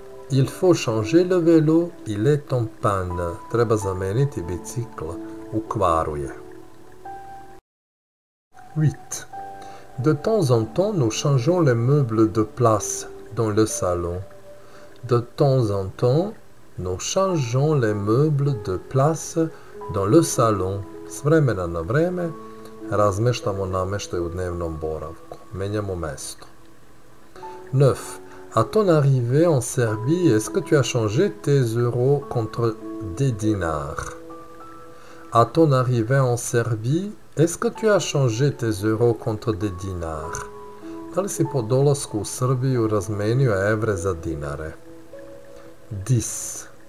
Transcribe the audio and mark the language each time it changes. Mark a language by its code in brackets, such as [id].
[fr] Il faut changer le vélo. Il est en panne. [sr] Treba zameniti bicikl. U kvaru je. [fr] 8. De temps en temps, nous changeons les meubles de place dans le salon. De temps en temps, nous changeons les meubles de place dans le salon. [sr] S vremena na vreme, razmeštamo nameštaj u dnevnom boravku. Menjamo mesto. 9. [fr] À ton arrivée en Serbie, est-ce que tu as changé tes euros contre des dinars? À ton arrivée en Serbie, est-ce que tu as changé tes euros contre des dinars? [sr] Da li si po dolasku u Srbiju razmenio evre za dinare? 10.